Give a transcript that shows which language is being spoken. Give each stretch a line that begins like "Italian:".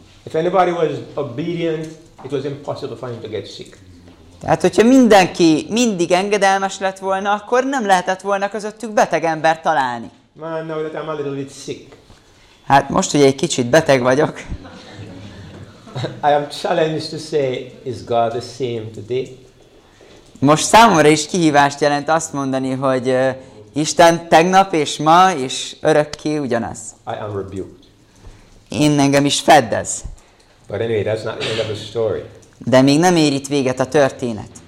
English: If anybody was obedient, it was impossible for him to get sick.
Hungarian: Tehát, hogyha mindenki mindig engedelmes lett volna, akkor nem lehetett volna közöttük beteg ember találni.
English: Man, now that I'm a little bit sick.
Hungarian: Hát most, hogy egy kicsit beteg vagyok.
English: I am challenged to say, is God the same today?
Hungarian: Most számomra is kihívást jelent azt mondani, hogy Isten tegnap és ma is örökké ugyanaz.
English: I am rebuked.
Hungarian: Én engem is feddez.
English: But anyway, that's not the end of the story.
Hungarian: De még nem ér itt véget a történet.